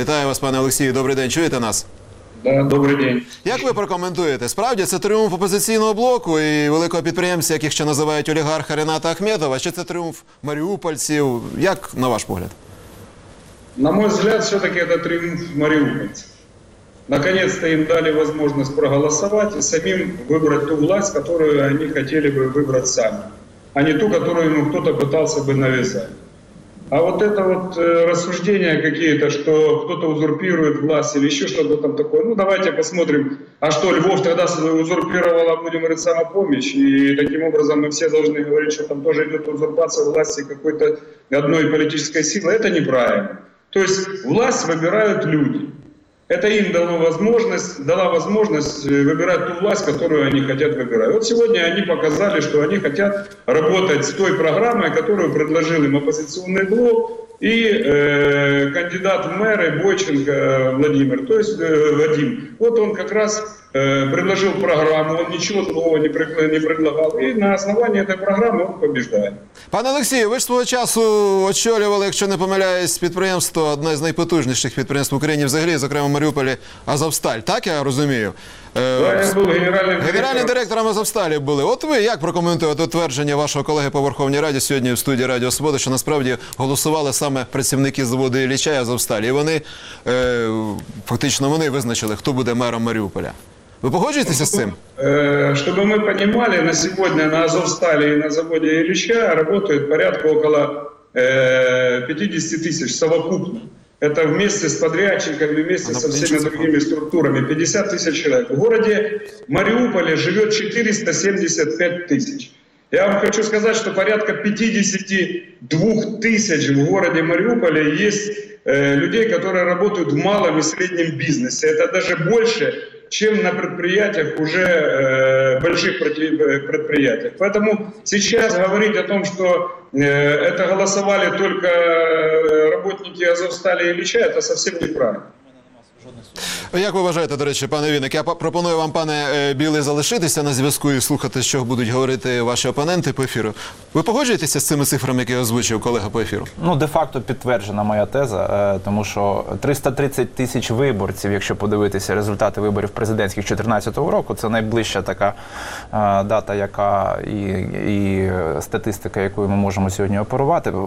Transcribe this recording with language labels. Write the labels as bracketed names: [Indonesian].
[Ukrainian] Вітаю вас, пане Олексію. Добрий день. Чуєте нас? Добрий день. Як ви прокоментуєте? Справді це тріумф опозиційного блоку і великого підприємця, яких ще називають олігарха Рената Ахметова, чи це тріумф маріупольців? Як на ваш погляд? [Russian] На мой взгляд, все-таки это [Ukrainian] тріумф маріупольців. [Russian] Наконец-то им дали возможность проголосовать и самим выбрать ту власть, которую они хотели бы выбрать сами, а не ту, которую ему кто-то пытался бы навязать. А вот это вот рассуждение какие-то, что кто-то узурпирует власть или еще что-то там такое, ну давайте посмотрим, а что, Львов тогда узурпировал, а будем говорить самопомощь, и таким образом мы все должны говорить, что там тоже идет узурпация власти какой-то одной политической силы, это неправильно. То есть власть выбирают люди. Это им дала возможность выбирать ту власть, которую они хотят выбирать. Вот сегодня они показали, что они хотят работать с той программой, которую предложил им оппозиционный блок и кандидат в мэры Бойченко Владимир, то есть Вадим. Вот он как раз предложил программу, он ничего нового не предлагал. И на основании этой программы он побеждает. [Ukrainian] Пане Олексію, ви ж свого часу очолювали, якщо не помиляюсь, підприємство, одне з найпотужніших підприємств в Україні взагалі, зокрема в Маріуполі, Азовсталь. Так я розумію? Генеральним директором Азовсталі були. От ви як прокоментуєте твердження вашого колеги по Верховній Раді сьогодні в студії Радіо Свобода, що насправді голосували саме працівники заводу Ілліча Азовсталь, і вони, фактично вони визначили, хто буде мером Маріуполя. [Russian] Вы погоджуетесь с этим? Чтобы мы понимали, на сегодня на Азовстале и на заводе Ильича работают порядка около 50 тысяч совокупно. Это вместе с подрядчиками, вместе со всеми другими структурами. 50 тысяч человек. В городе Мариуполе живет 475 тысяч. Я вам хочу сказать, что порядка 52 тысяч в городе Мариуполе есть людей, которые работают в малом и среднем бизнесе. Это даже больше, чем на предприятиях, уже больших предприятиях. Поэтому сейчас говорить о том, что это голосовали только работники Азовстали и Ильича, это совсем неправильно. [Ukrainian] Як ви вважаєте, до речі, пане Вінник, я пропоную вам, пане Білий, залишитися на зв'язку і слухати, що будуть говорити ваші опоненти по ефіру. Ви погоджуєтеся з цими цифрами, які озвучив колега по ефіру? Ну, де-факто підтверджена моя теза, тому що 330 тисяч виборців, якщо подивитися результати виборів президентських 2014 року, це найближча така дата, яка і статистика, якою ми можемо сьогодні оперувати.